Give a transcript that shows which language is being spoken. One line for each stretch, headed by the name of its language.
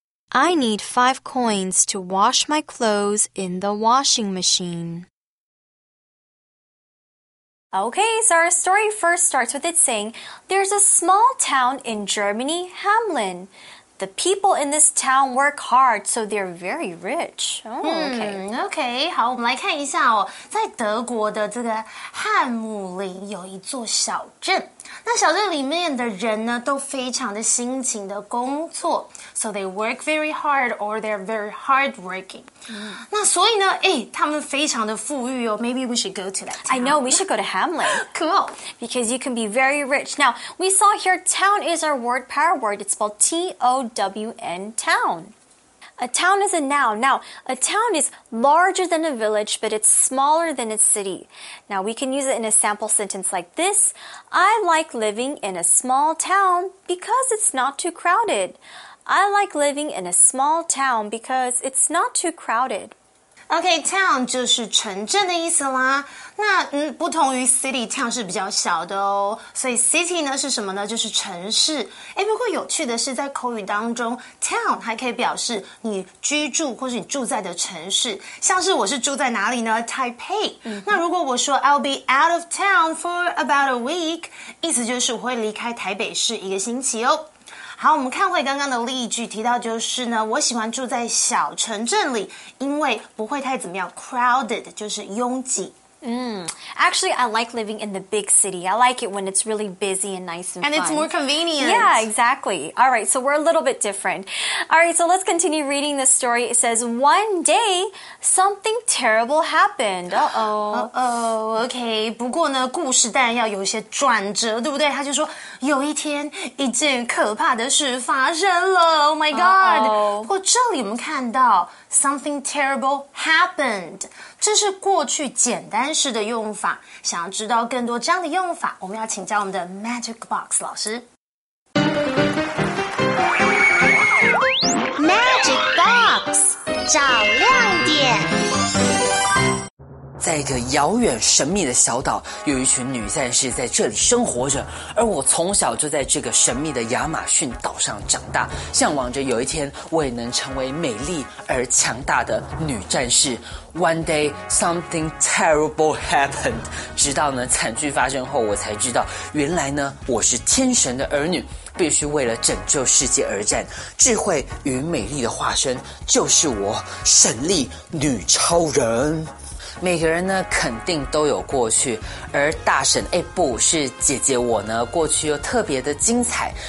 English: I need 5 coins to wash my clothes in the washing machine. Okay, so our story first starts with it saying, There's a small town in Germany, Hamelin. The people in this town work hard, so they're very rich. Okay.
Chinese: 好，我们来看一下哦，在德国的这个汉姆林有一座小镇。那小镇里面的人呢，都非常的辛勤的工作。
English: So they work very hard, or they're very hardworking.
Chinese: 那所以呢，哎，他们非常的富裕哦。
English: Maybe we should go to that town. I know, we should go to Hamelin. Cool. Because you can be very rich. Now, we saw here, town is our word, power word. It's spelled T-O-W-N, town. A town is a noun. Now, a town is larger than a village, but it's smaller than a city. Now, we can use it in a sample sentence like this. I like living in a small town because it's not too crowded. I like living in a small town because it's not too crowded.
Chinese: Okay, town 就是城镇的意思啦。那不同于 city, town 是比较小的哦。所以 city 呢是什么呢？就是城市。诶，不过有趣的是，在口语当中 town 还可以表示你居住或是你住在的城市。像是我是住在哪里呢？Taipei、嗯。那如果我说 I'll be out of town for about a week, 意思就是我会离开台北市一个星期哦。好，我们看回刚刚的例句，提到就是呢，我喜欢住在小城镇里，因为不会太怎么样 crowded, 就是拥挤。
English: Actually, I like living in the big city. I like it when it's really busy and nice and fun. And it's more convenient. Yeah, exactly. All right, so we're a little bit different. All right, so let's continue reading the story. It says, one day, something terrible happened. Uh-oh.
Chinese: Okay, 不过呢，故事当然要有一些转折，对不对？他就说，有一天，一件可怕的事发生了。 Oh my God. Uh-oh. 不过这里我们看到 Something terrible happened. 这是过去简单式的用法。想要知道更多这样的用法，我们要请教我们的 Magic Box 老师。 Magic Box 找亮点。在一个遥远神秘的小岛，有一群女战士在这里生活着，而我从小就在这个神秘的亚马逊岛上长大，向往着有一天我也能成为美丽而强大的女战士。
English: One day, something terrible happened.
Chinese: 直到呢惨剧发生后，我才知道原来呢我是天神的儿女，必须为了拯救世界而战。智慧与美丽的化身就是我，神力女超人。每个人呢肯定都有过去，而大婶诶不是姐姐我呢过去又特别的精彩。